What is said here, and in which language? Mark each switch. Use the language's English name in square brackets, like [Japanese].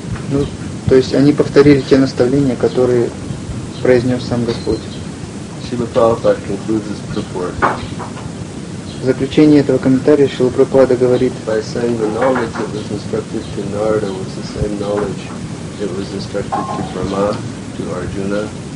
[Russian] Ну, то есть они повторили те наставления, которые произнес сам Господь. [English] Srila Prabhupada concludes this purport. [Russian] В заключении этого комментария Srila Prabhupada говорит. [English] By saying the knowledge that was instructed to Narada was the same knowledge that was instructed to Brahma, to Arjuna.